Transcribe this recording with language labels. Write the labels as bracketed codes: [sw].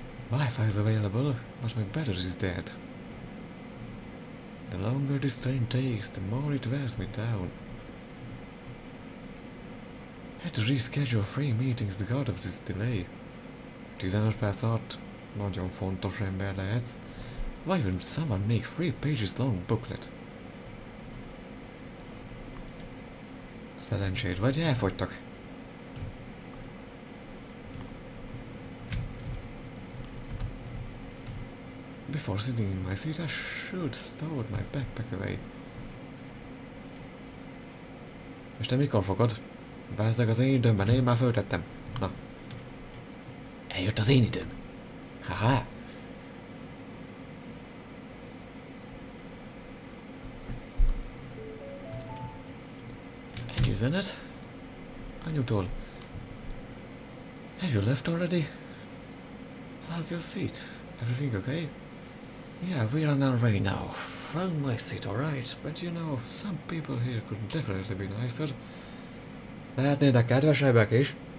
[en] Wi-Fi is available, but my battery is dead. The longer this train takes, the more it wears me down. Had to reschedule three meetings because of this delay. [hu] 15 perc alatt nagyon fontos ember lehetsz. [en] Why would someone make three pages long booklet? [hu] Szerencséd vagy, elfogytak. [en] Before sitting in my seat, I should stow my backpack away. [hu] És te mikor fogod? Bezzeg az én időmben, én már föltettem. Na. Eljött az én időm. Haha. Egy üzenet. Anyutól. [en] Have you left already? How's your seat? Everything okay? Yeah, we're on our way now. Found my seat, alright. But you know, some people here could definitely be nicer. [hu] Lehetnének kedvesebbek is.